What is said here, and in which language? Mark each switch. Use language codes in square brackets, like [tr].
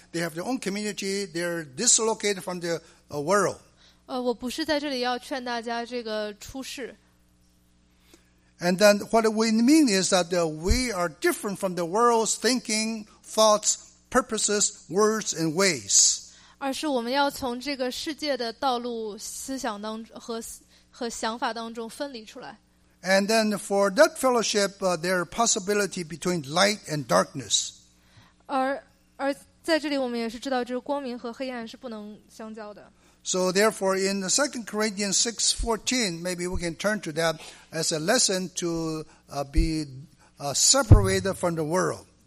[en] They have their own community. They're dislocated from the world. [zh] 我不是在这里要劝大家这个出世。 [en] And then what we mean is that we are different from the world's thinking, thoughts, purposes, words, and ways. [zh] 而是我们要从这个世界的道路思想当中 和想法当中分离出来。 [en] And then for that fellowship, there are possibility between light and darkness. [zh] 而在这里我们也是知道就是光明和黑暗是不能相交的。 [en] So therefore, in 2 Corinthians 6:14, maybe we can turn to that as a lesson to separated from the world.